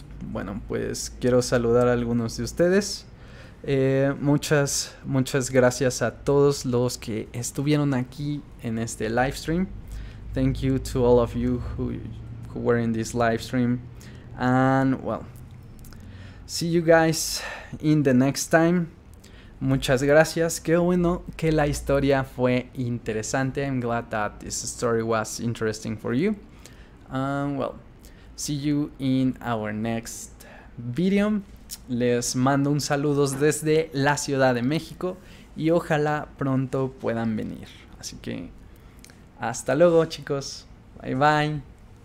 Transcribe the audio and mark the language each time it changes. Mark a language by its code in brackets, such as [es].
[es] Bueno, pues quiero saludar a algunos de ustedes. Muchas gracias a todos los que estuvieron aquí en este live stream. [en] Thank you to all of you who were in this live stream. And well, see you guys in the next time. [es] Muchas gracias. Qué bueno que la historia fue interesante. [en] I'm glad that this story was interesting for you. And well, see you in our next video. [es] Les mando un saludo desde la Ciudad de México y ojalá pronto puedan venir. Así que hasta luego, chicos. [en] Bye bye.